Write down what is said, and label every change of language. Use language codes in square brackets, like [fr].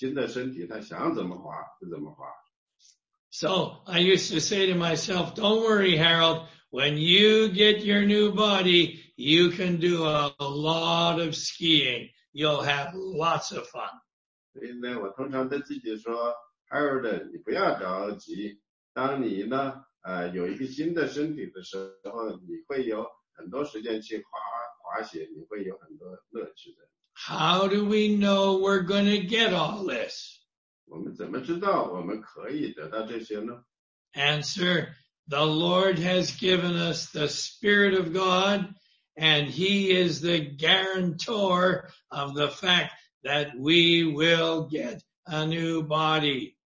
[zh] 因为当他是个半大孩子，18岁、19岁的时候呢，他就一直想象着他有一个新的身体，他就会去滑雪。他不是一个很好的滑雪者，他通常呢，都会摔倒。但是他想，如果他有一个新的身体，他想怎么滑就怎么滑。 [en] So I used to say to myself, don't worry, Harold, when you get your new body, you can do a lot of skiing. You'll have lots of fun. [zh] 所以呢，我通常对自己说， Harold, 你不要着急。当你呢，有一个新的身体的时候，你会有很多时间去滑雪，你会有很多乐趣的。 [en] How do we know we're going to get all this? [zh] 我们怎么知道我们可以得到这些呢？ [en] Answer, the Lord has given us the Spirit of God, and He is the guarantor of the fact that we will get a new body.